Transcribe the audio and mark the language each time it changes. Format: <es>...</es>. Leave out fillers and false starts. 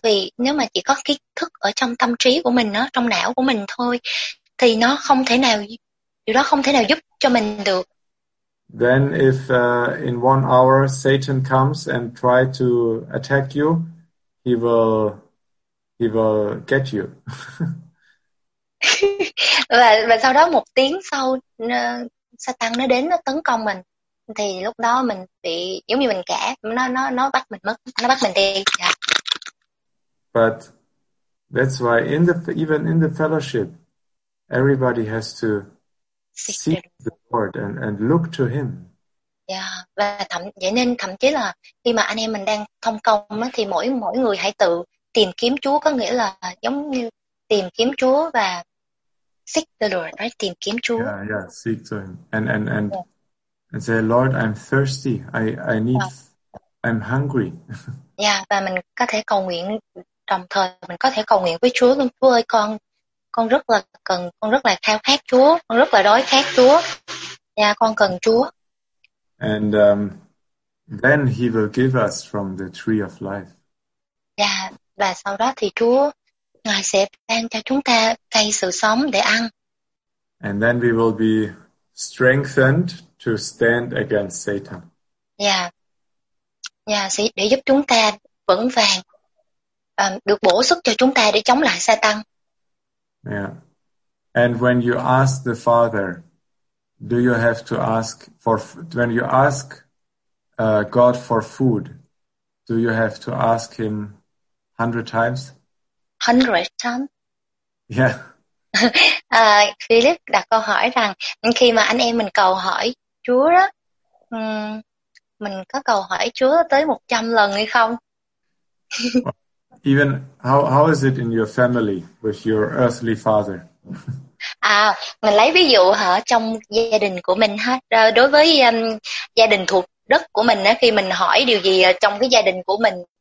<vi>Vì nếu mà chỉ có kiến thức ở trong tâm trí của mình, nó trong não của mình thôi, thì nó không thể nào, điều đó không thể nào giúp cho mình được.</vi> <en>Then if in one hour Satan comes and try to attack you, he will get you.</en> <vi>Và sau đó một tiếng sau, Satan nó đến nó tấn công mình, thì lúc đó mình bị giống như mình cả, nó bắt mình mất, nó bắt mình đi. Yeah.</vi> <en>But that's why even in the fellowship, everybody has to seek the Lord and look to Him.</en> <vi>Yeah, và vậy nên thậm chí là khi mà anh em mình đang thông công á, thì mỗi người hãy tự tìm kiếm Chúa, có nghĩa là giống như tìm kiếm Chúa và</vi> <en>seek the Lord, right?</en> <vi>Tìm kiếm Chúa.</vi> <en>Yeah, yeah, seek to Him and yeah. And say, Lord, I'm thirsty. I need. Yeah. I'm hungry.</en> <vi>Yeah, và mình có thể cầu nguyện đồng thời, mình có thể cầu nguyện với Chúa luôn. Chúa ơi, con rất là cần, con rất là khao khát Chúa, con rất là đói khát Chúa. Yeah, con cần Chúa.</vi> <en>And then He will give us from the tree of life.</en> <vi>Dạ, và sau đó thì Chúa Ngài sẽ ban cho chúng ta cây sự sống để ăn.</vi> <en>And then we will be strengthened to stand against Satan.</en> <vi>Dạ. Dạ, để giúp chúng ta vững vàng, được bổ sức cho chúng ta để chống lại Satan. Yeah.</vi> <en>And when you ask the Father, do you have to ask for, when you ask God for food, do you have to ask him 100 times? 100 times? Yeah.</en> <vi>Philip đặt câu hỏi rằng khi mà anh em mình cầu hỏi Chúa đó, mình có cầu hỏi Chúa tới 100 lần hay không?</vi> <en>Even how is it in your family with your earthly father?</en> <vi>À, mình lấy ví dụ hả, trong gia đình của mình ha, đối với gia đình thuộc đất của mình á, khi mình hỏi điều gì trong cái gia đình của mình.</vi>